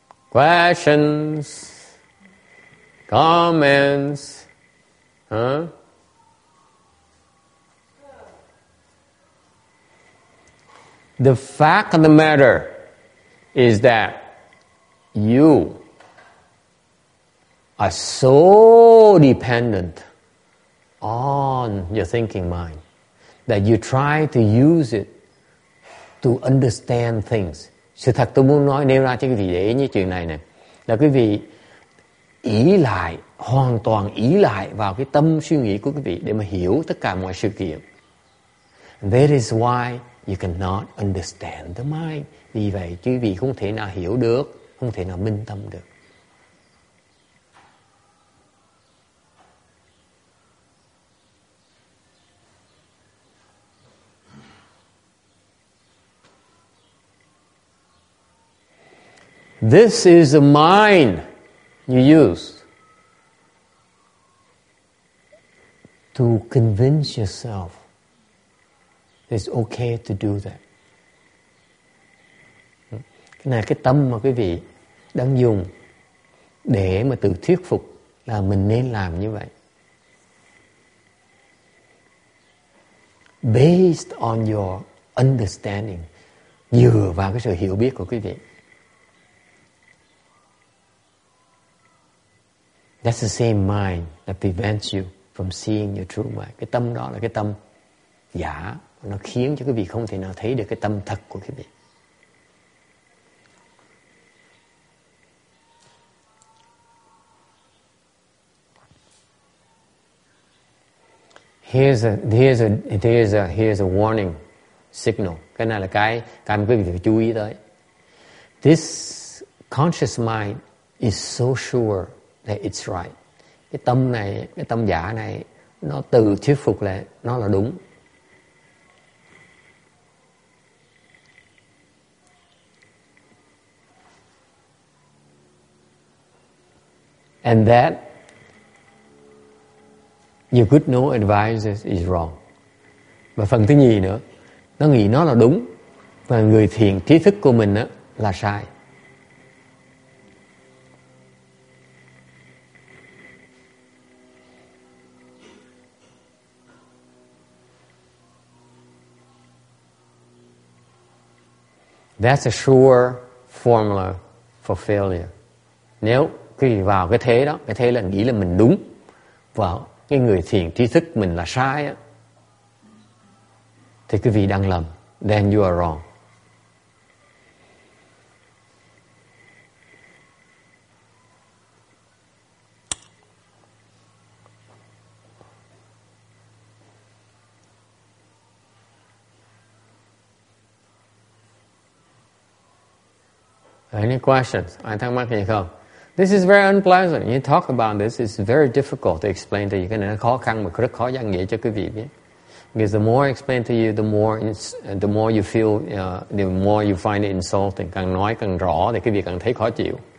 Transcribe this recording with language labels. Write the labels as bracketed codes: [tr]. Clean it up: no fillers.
[en] Questions, comments, The fact of the matter is that you are so dependent on your thinking mind that you try to use it to understand things. [vi] Sự thật tôi muốn nói nêu ra cho quý vị để ý như chuyện này nè. Là quý vị ý lại, hoàn toàn ý lại vào cái tâm suy nghĩ của quý vị để mà hiểu tất cả mọi sự kiện. [en] That is why you cannot understand the mind. [vi] Vì vậy quý vị không thể nào hiểu được, không thể nào minh tâm được. [en] This is the mind you use to convince yourself it's okay to do that. [vi] Cái này là cái tâm mà quý vị đang dùng để mà tự thuyết phục là mình nên làm như vậy. [en] Based on your understanding, [vi] dựa vào cái sự hiểu biết của quý vị. [en] That's the same mind that prevents you from seeing your true mind. [vi] Cái tâm đó là cái tâm giả. Nó khiến cho quý vị không thể nào thấy được cái tâm thật của quý vị. [en] Here's a warning signal. [vi] Cái này là cái quý vị phải chú ý tới. [en] This conscious mind is so sure that it's right. [vi] Cái tâm này, cái tâm giả này, nó tự thuyết phục là nó là đúng. [en] And that your good no advisors is wrong. [vi] Và phần thứ nhì nữa, nó nghĩ nó là đúng và người thiền trí thức của mình á là sai. [en] That's a sure formula for failure. [vi] Nếu quý vị vào cái thế đó, cái thế là nghĩ là mình đúng và cái người thiền trí thức mình là sai á, thì quý vị đang lầm. [en] Then you are wrong. Any questions? [vi] Ai thắc mắc gì không? [en] This is very unpleasant. You talk about this, it's very difficult to explain to you. [vi] Cái này nó khó khăn mà rất khó giải nghĩa cho quý vị biết. [en] Because the more I explain to you, the more you feel, the more you find it insulting. [vi] Càng nói càng rõ thì quý vị càng thấy khó chịu.